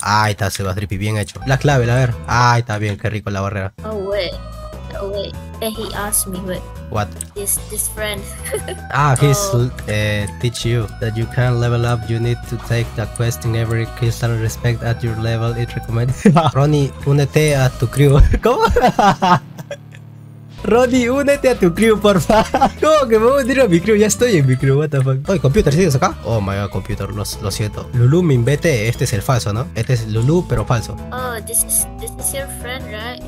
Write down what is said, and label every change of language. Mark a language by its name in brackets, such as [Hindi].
[Spanish] Ahí está, Sebastripi, bien hecho. La clave, a ver. Ahí está bien, qué rico la barrera. [English] Oh, wait. Oh, wait, he asked me, what? This friend. Ah, he's teach you that you can level up. You need to take the quest in every crystal respect at your level. [Spanish] It recommends. Ronnie, únete a tu crew. ¿Cómo? Ronnie, únete a tu crew, porfa. ¿Cómo que me voy a unir a mi crew? Ya estoy en mi crew, what the fuck. Oye, computer, ¿sigues acá? Oh my god, computer, lo siento. Lulu, me invete, este es el falso, ¿no? Este es Lulu, pero falso. [English] Oh, this is your friend, right?